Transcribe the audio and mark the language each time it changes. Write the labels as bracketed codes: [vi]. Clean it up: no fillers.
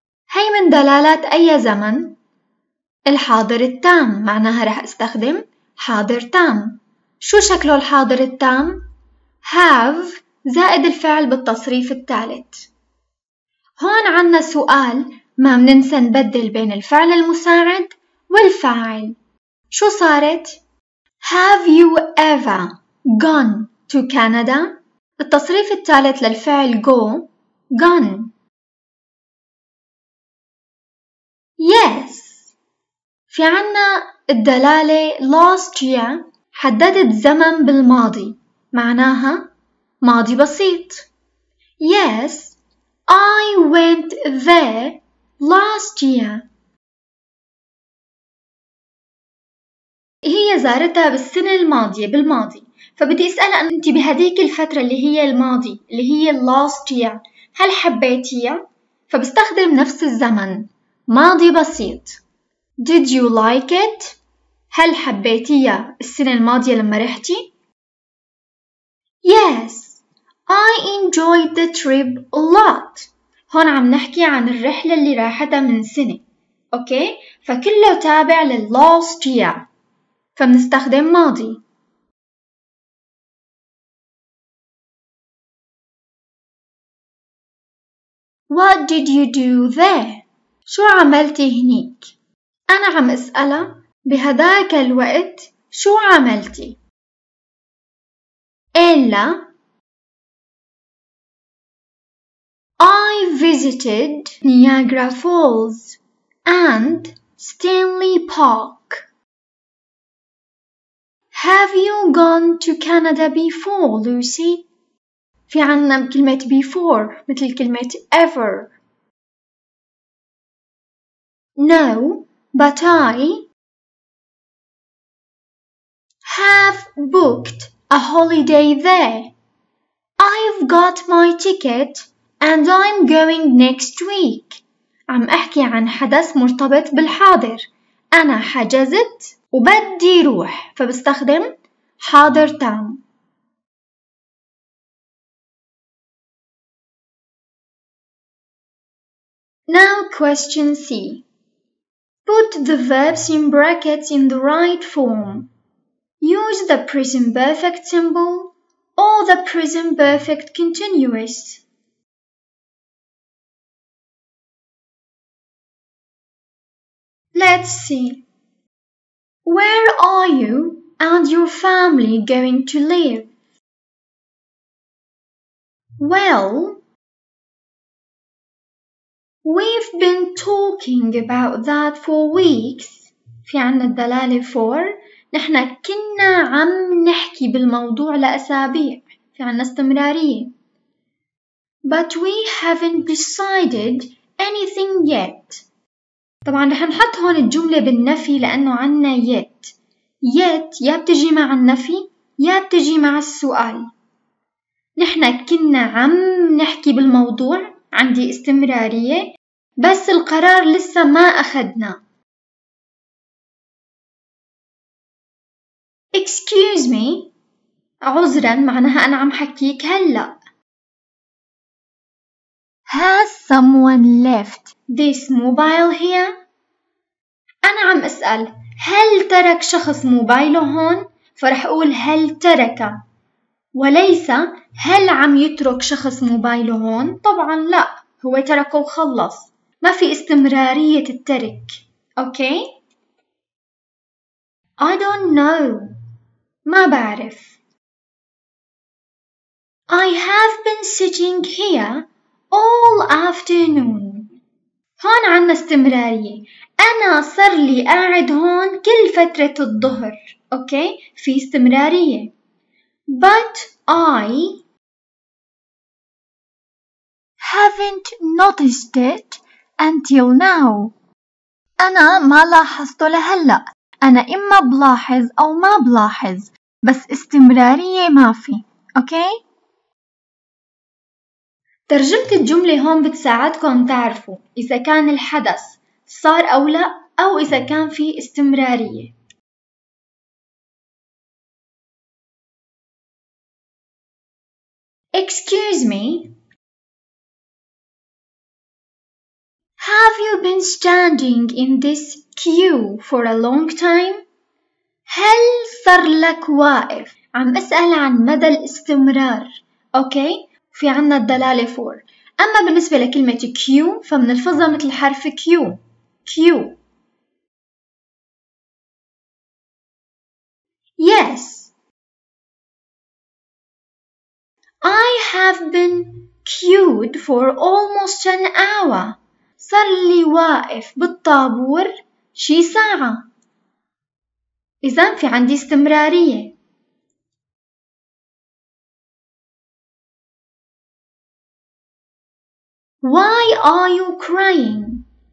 [ar] هي من دلالات أي زمن؟ الحاضر التام، معناها رح استخدم حاضر تام. شو شكله الحاضر التام؟ have زائد الفعل بالتصريف الثالث. هون عنا سؤال، ما مننسى نبدل بين الفعل المساعد والفاعل. شو صارت؟ [en] Have you ever gone to Canada؟ [ar] التصريف الثالث للفعل go [en] gun. Yes. [ar] في عنا الدلالة [en] last year [ar] حددت زمن بالماضي معناها ماضي بسيط. [en] Yes, I went there last year. [ar] هي زارتها بالسنة الماضية بالماضي، فبدي أسألها أنت بهذيك الفترة اللي هي الماضي اللي هي [en] last year [ar] هل حبيتيها؟ فبستخدم نفس الزمن ماضي بسيط. [en] Did you like it؟ [ar] هل حبيتيها السنة الماضية لما رحتي؟ [en] Yes, I enjoyed the trip a lot. [ar] هون عم نحكي عن الرحلة اللي راحتها من سنة. Okay, فكله تابع للاست year. فمنستخدم ماضي. [en] What did you do there? [ar] شو عملتي هنيك؟ أنا عم أسألها بهذاك الوقت شو عملتي؟ إلا [en] I visited Niagara Falls and Stanley Park. Have you gone to Canada before, Lucy? [ar] في عنا كلمة before مثل كلمة ever. [en] No, but I have booked a holiday there. I've got my ticket and I'm going next week. [ar] عم أحكي عن حدث مرتبط بالحاضر. أنا حجزت وبدي روح، فبستخدم حاضر تام. [en] Now question C. Put the verbs in brackets in the right form. Use the present perfect symbol or the present perfect continuous. Let's see. Where are you and your family going to live? Well, we've been talking about that for weeks. [ar] في عنا الدلالة for. نحن كنا عم نحكي بالموضوع لأسابيع. في عنا استمرارية. [en] But we haven't decided anything yet. [ar] طبعا رح نحط هون الجملة بالنفي لأنه عنا yet. Yet يا بتجي مع النفي يا بتجي مع السؤال. نحن كنا عم نحكي بالموضوع. عندي استمرارية. بس القرار لسه ما أخدنا. [en] Excuse me. [ar] عذرا معناها أنا عم حكيك هلأ. [en] Has someone left this mobile here? [ar] أنا عم أسأل هل ترك شخص موبايله هون؟ فرح أقول هل ترك وليس هل عم يترك شخص موبايله هون؟ طبعا لا، هو تركه وخلص، ما في استمرارية الترك. أوكي؟ okay. [en] I don't know. [ar] ما بعرف. [en] I have been sitting here all afternoon. [ar] هون عنا استمرارية. أنا صار لي قاعد هون كل فترة الظهر. أوكي؟ okay. في استمرارية. [en] But I haven't noticed it until now. [ar] أنا ما لاحظته لهلأ. أنا إما بلاحظ أو ما بلاحظ، بس استمرارية ما في. أوكي؟ ترجمة الجملة هون بتساعدكم تعرفوا إذا كان الحدث صار أو لا، أو إذا كان في استمرارية. [en] Excuse me. Have you been standing in this queue for a long time? [ar] هل صار لك واقف؟ عم أسأل عن مدى الاستمرار. أوكي؟ في عنا الدلالة for. أما بالنسبة لكلمة queue فمنلفظها مثل حرف Q. [en] Q. Yes. I have been queued for almost an hour. [ar] صار لي واقف بالطابور شي ساعة. إذا في عندي استمرارية. [en] Why are you crying?